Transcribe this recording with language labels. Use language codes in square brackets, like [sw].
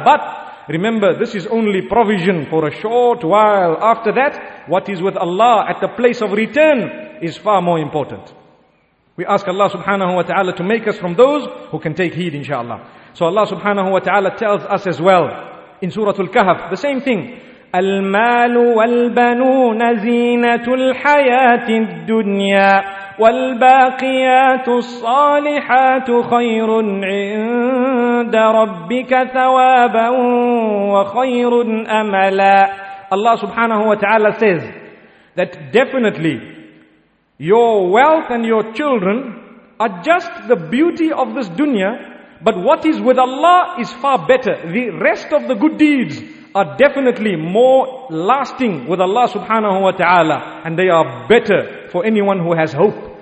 [en] But remember, this is only provision for a short while. After that, what is with Allah at the place of return is far more important. We ask Allah subhanahu wa ta'ala to make us from those who can take heed, inshallah. So Allah subhanahu wa ta'ala tells us as well in Surah Al-Kahf, the same thing. [ar] المال والبنون زينة الحياة الدنيا والباقيات الصالحات خير عند ربك ثوابا وخير أملا. [en] Allah subhanahu wa ta'ala says that definitely your wealth and your children are just the beauty of this dunya, but what is with Allah is far better. The rest of the good deeds are definitely more lasting with Allah subhanahu wa ta'ala, and they are better for anyone who has hope.